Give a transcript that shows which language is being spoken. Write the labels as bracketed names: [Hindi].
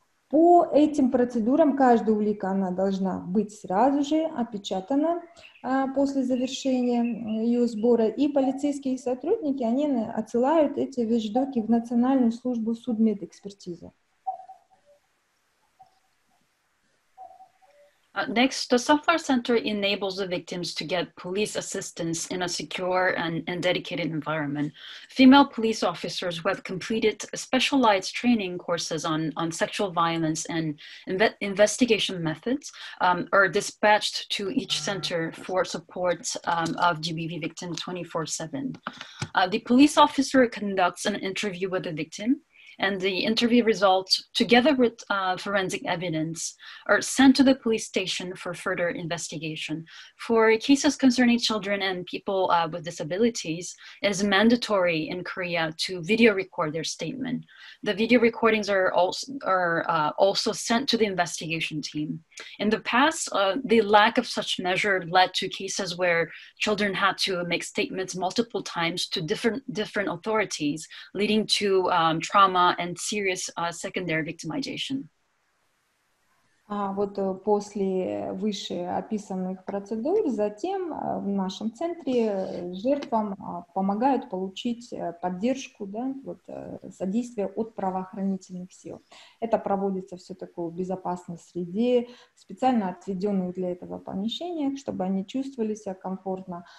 [Russian] По этим процедурам каждая улика, она должна быть сразу же опечатана после завершения ее сбора, и полицейские сотрудники, они отсылают эти вещдоки в Национальную службу судмедэкспертизы. [English] Next, the Sunflower Center enables the victims to get police assistance in a secure and dedicated environment. Female police officers who have completed specialized training courses on sexual violence and investigation methods are dispatched to each center for support of GBV victims 24/7. The police officer conducts an interview with the victim, and the interview results, together with forensic evidence, are sent to the police station for further investigation. For cases concerning children and people with disabilities, it is mandatory in Korea to video record their statement. The video recordings are also sent to the investigation team. In the past, the lack of such measure led to cases where children had to make statements multiple times to different authorities, leading to trauma and serious secondary victimization. [Russian] Вот после вышеописанных процедур, затем в нашем центре жертвам помогают получить поддержку, да, содействие от правоохранительных сил. Это проводится все такое в безопасной среде, специально отведенные для этого помещения, чтобы они чувствовали себя комфортно.